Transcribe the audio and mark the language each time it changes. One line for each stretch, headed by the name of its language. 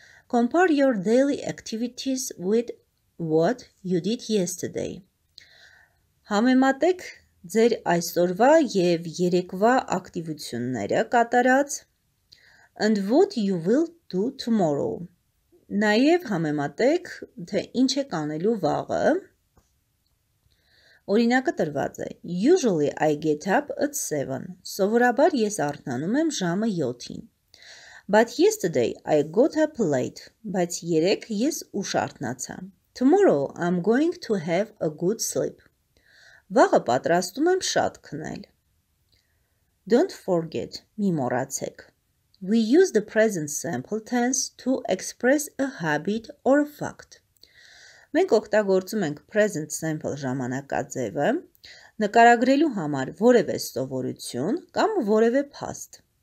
English: Compare your daily activities with what you did yesterday.
Armenian: Համեմատեք ձեր այսօրվա և երեկվա ակտիվությունները կատարած.
English: And what you will do tomorrow.
Armenian: Նաև համեմատեք, թե ինչ է կանելու վաղը. Օրինակը տրված է.
English: Usually I get up at 7.
Armenian: Սովորաբար ես առնանում եմ ժամը 7-ին.
English: But yesterday I got up late.
Armenian: Բայց երեկ ես ուշ արթնացա.
English: Tomorrow I'm going to have a good sleep.
Armenian: Վաղը պատրաստում եմ շատ քնել.
English: Don't forget,
Armenian: մի մոռացեք.
English: We use the present simple tense to express a habit or a fact.
Armenian: Մենք օգտագործում ենք present simple ժամանակաձևը նկարագրելու համար որևէ սովորություն կամ որևէ փաստ.